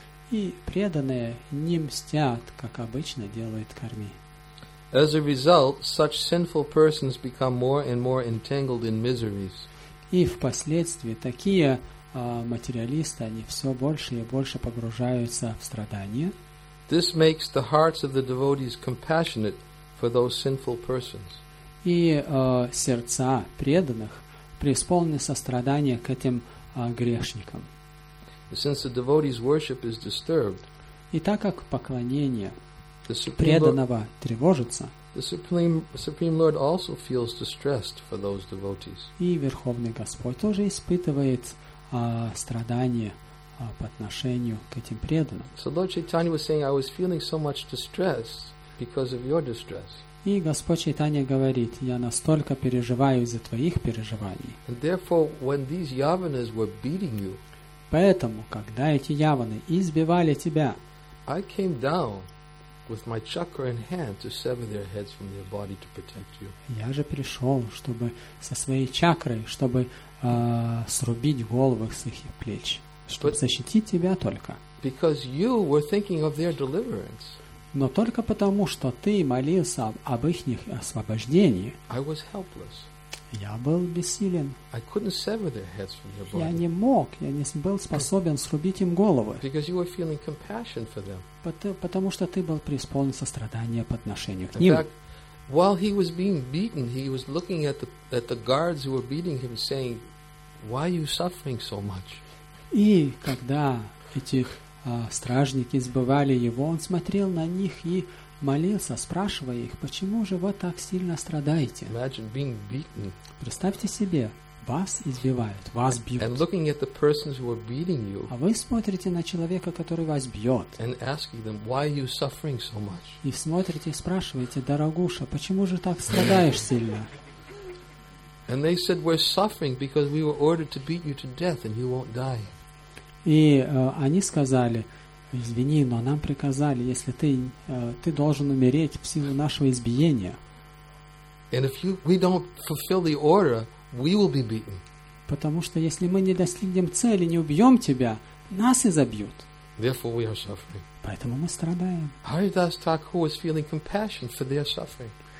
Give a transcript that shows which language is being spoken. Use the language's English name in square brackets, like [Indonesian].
[Russian] И преданные не мстят, как обычно делают карми. [English] As a result, such sinful persons become more and more entangled in miseries. [Russian] И впоследствии такие материалисты, они все больше и больше погружаются в страдания. [English] This makes the hearts of the devotees compassionate for those sinful persons. [Russian] И сердца преданных преисполнены сострадания к этим грешникам. [English] Since the devotee's worship is disturbed, [Russian] и так как поклонение преданного тревожится, [English] the Supreme Lord also feels distressed for those devotees. [Russian] И Верховный Господь тоже испытывает страдания по отношению к этим преданным. [English] So Lord Chaitanya was saying, I was feeling so much distress because of your distress. [Russian] И Господь Чайтанья говорит, я настолько переживаю из-за твоих переживаний. [English] And therefore, when these yavanas were beating you, [Russian] поэтому, когда эти яваны избивали тебя, [English] I came down with my chakra in hand to sever their heads from their body to protect you. [Russian] Я же пришел, чтобы со своей чакрой, чтобы срубить головы с их плеч, чтобы защитить тебя только. [English] Because you were thinking of their deliverance. [Russian] Но только потому, что ты молился об их освобождении. [English] I was helpless. [Russian] Я был бессилен. [English] I couldn't sever their heads from their body. [Russian] Я не мог, я не был способен срубить им головы. [English] Because you were feeling compassion for them. [Russian] Потому что ты был преисполнен сострадания по отношению к ним. [English] In fact, while he was being beaten, he was looking at the guards who were beating him, saying, "Why are you suffering so much?" [Russian] И когда этих стражники избивали его, он смотрел на них и молился, спрашивая их, почему же вы так сильно страдаете? [English] Imagine being beaten. [Russian] Представьте себе, вас избивают, вас бьют. [English] And looking at the persons who are beating you. [Russian] А вы смотрите на человека, который вас бьет. [English] And asking them, why are you suffering so much? [Russian] И смотрите и спрашиваете, дорогуша, почему же так страдаешь сильно? [English] And they said, we're suffering because we were ordered to beat you to death and you won't die. [Russian] И они сказали, извини, но нам приказали, если ты должен умереть в силу нашего избиения. [English] And if we don't fulfill the order, we will be beaten. [Russian] Потому что если мы не достигнем цели, не убьем тебя, нас изобьют. [English] Therefore we are suffering. [Russian] Поэтому мы страдаем. [English] Haridas Thakur was feeling compassion for their suffering.